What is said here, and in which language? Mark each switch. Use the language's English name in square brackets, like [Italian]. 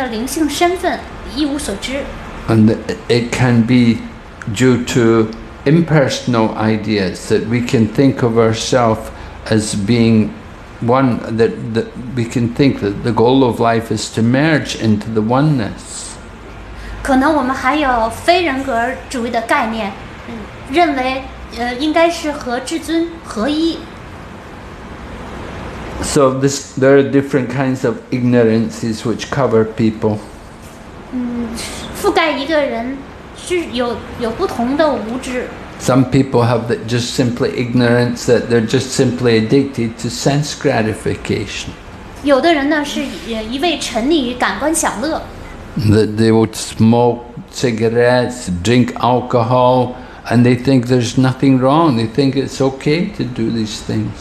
[Chinese] 同样是指的对我们的灵性身份一无所知。 [English] And it can be due to impersonal ideas that we can think of ourselves as being one, that we can think that the goal of life is to merge into the oneness. [Chinese] 可能我们还有非人格主义的概念，认为应该是和至尊合一。 [English] So this, there are different kinds of ignorances which cover people. [Chinese] 覆盖一个人是有不同的无知。 [English] Some people have that just simply ignorance, that they're just simply addicted to sense gratification. [Chinese] 有的人呢是一味沉溺于感官享乐。 [English] That they would smoke cigarettes, drink alcohol, and they think there's nothing wrong. They think it's okay to do these things.